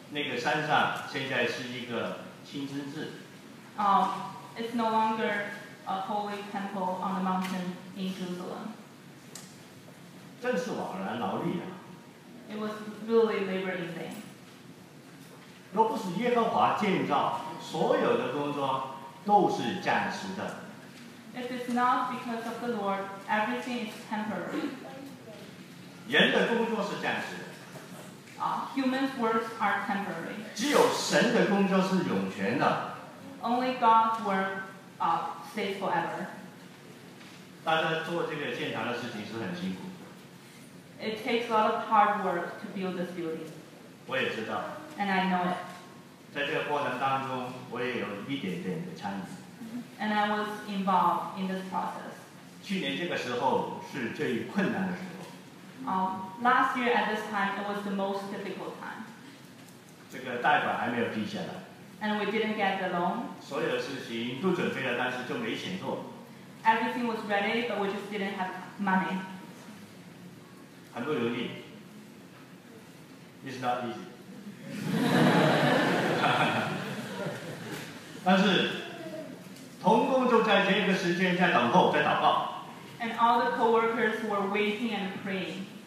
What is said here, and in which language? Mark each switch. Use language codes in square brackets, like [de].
[zh] 在耶路撒冷那个山上现在是一个清真寺。 [en] It's no longer a holy temple on the mountain in Jerusalem. [zh] 正是枉然劳力啊。 [en] It was really labor in vain. [zh] 若不是耶和华建造所有的工作， [en] If it's not because of the Lord, everything is temporary. [zh] 人的工作是暂时的。 [en] Human's works are temporary. [zh] 只有神的工作是永全的。 [en] Only God's work stays forever. [zh] 大家做这个建堂的事情是很辛苦。 [en] It takes a lot of hard work to build this building. [zh] 我也知道。 [en] And I know it. [zh] 在这个过程当中，我也有一点点的参与。 [en] And I was involved in this process. [zh] 去年这个时候是最困难的时候。 [en] Last year at this time, it was the most difficult time. [zh] 这个贷款还没有批下来。 [en] And we didn't get the loan. [zh] 所有的事情都准备了，但是就没钱做。 [en] Everything was ready, but we just didn't have money. [zh] 很不容易。 [en] It's not easy. [zh] 但是。同工就在这个时间在等候，在祷告。 [en] And all the co-workers were waiting and praying.